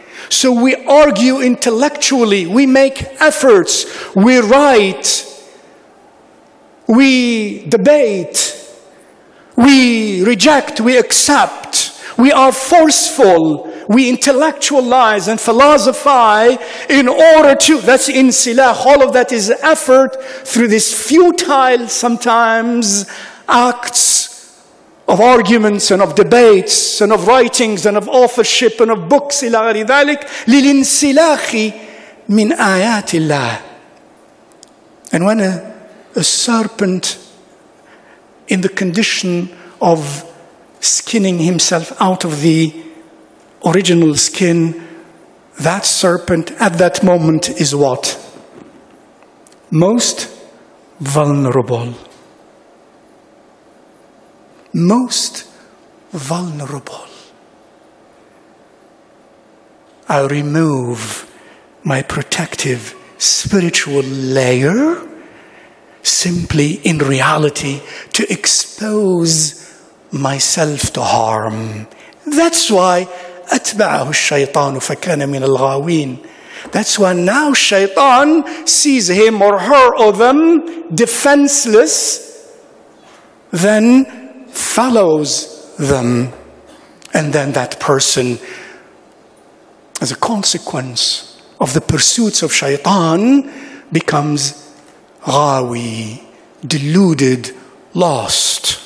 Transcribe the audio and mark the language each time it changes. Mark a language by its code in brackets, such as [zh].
[en] So we argue intellectually, we make efforts, we write, we debate, we reject, we accept, we are forceful, we intellectualize and philosophize in order to, that's insilah, all of that is effort through this futile sometimes acts of arguments and of debates and of writings and of authorship and of books. [ar] إلى غير ذلك للانسلاخ من آيات الله. [en] And when a serpent in the condition of skinning himself out of the original skin, that serpent at that moment is what? Most vulnerable. Most vulnerable. I remove my protective spiritual layer simply in reality to expose myself to harm. That's why [ar] أتبعه الشيطان فكان من الغاوين. [en] That's why now shaitan sees him or her or them defenseless, then follows them, and then that person, as a consequence of the pursuits of shaitan, becomes ghawi, deluded, lost.